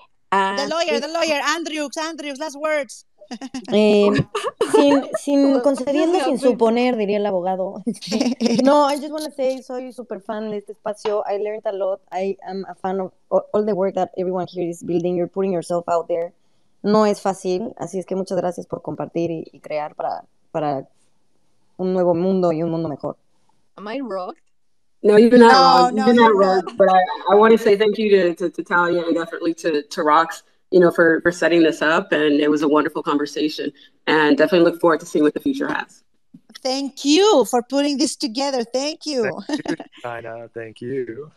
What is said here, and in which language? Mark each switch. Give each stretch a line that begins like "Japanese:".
English: The lawyer, Andrews, last words.
Spanish: sin concediendo, sin suponer, diría el abogado.
English: No, I just want to say,
Spanish: soy super fan de este espacio.
English: I learned a lot. I am a fan of all the work that everyone here is building. You're putting yourself out there.
Spanish: No es fácil. Así es que muchas gracias por compartir y crear para un nuevo mundo y un mundo mejor.
English: Am I wrong? No, you've been not wrong. But I want to say thank you to Thalía, and definitely to Rox, you know, for setting this up. And it was a wonderful conversation. And definitely look forward to seeing what the future has. Thank you for putting this together. Thank you. Thank you, China. Thank you.